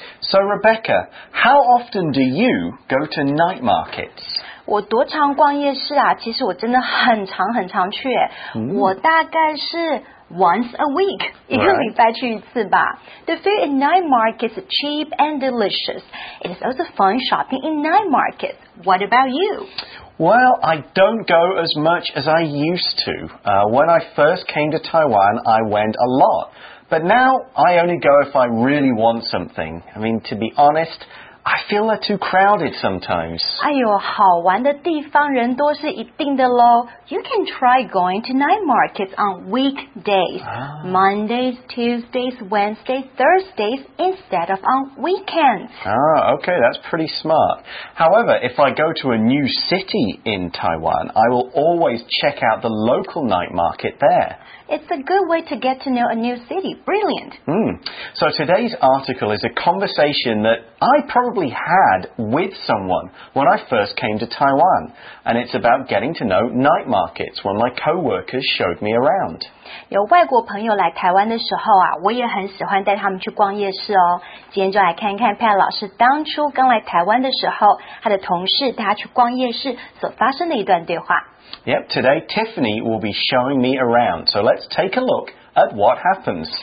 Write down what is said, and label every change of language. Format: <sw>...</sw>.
<en>So Rebecca, how often do you go to night markets?</en> <zh>我多常逛夜市啊，其实我真的很常很常去耶。我大概是</zh> <en>once a week,</en> <zh>一个礼拜去一次吧。</zh> <en>The food in night markets is cheap and delicious. It is also fun shopping in night markets. What about you? Well, I don't go as much as I used to. When I first came to Taiwan, I went a lot. But now, I only go if I really want something. I mean, to be honest, I feel they're too crowded sometimes.</en> <zh>哎呦，好玩的地方人多是一定的咯。</zh> <en>You can try going to night markets on weekdays. Mondays, Tuesdays, Wednesdays, Thursdays, instead of on weekends. Ah, okay, that's pretty smart. However, if I go to a new city in Taiwan, I will always check out the local night market there. It's a good way to get to know a new city. Brilliant. So today's article is a conversation that I probably had with someone when I first came to Taiwan. And it's about getting to know night markets when my co-workers showed me around.</en> <zh>有外国朋友来台湾的时候啊，我也很喜欢带他们去逛夜市哦。今天就来看看 Pat 老师当初刚来台湾的时候，他的同事带他去逛夜市所发生的一段对话。</zh> <en>Yep, today Tiffany will be showing me around. So let's take a look at what happens.</en>